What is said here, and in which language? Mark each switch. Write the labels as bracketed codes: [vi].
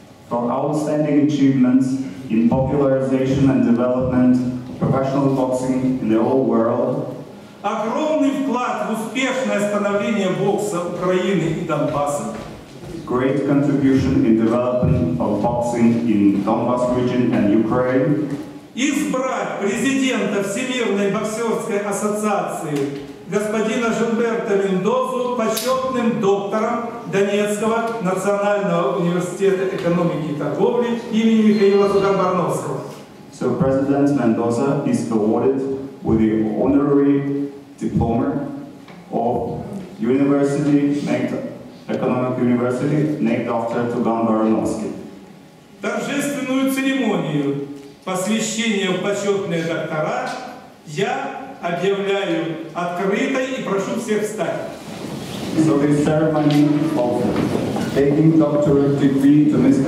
[en] For outstanding achievements in popularization and development of professional boxing in the whole world. [ru] Огромный вклад в успешное становление бокса Украины и Донбасса. [en] Great contribution in development of boxing in Donbass region and Ukraine. [ru] Избрать президента Всемирной боксерской ассоциации господина Жилберто Мендозу по почетным доктором Донецкого национального университета экономики и торговли имени Михаила Зуганбарновского. [en] So President Mendoza is awarded with the honorary diploma of University named Economic University named after Zuganbarnovsky. [ru] Торжественную церемонию посвящения в почетные доктора я объявляю открытой и прошу всех встать. [en] So this ceremony of taking doctorate degree to Mr.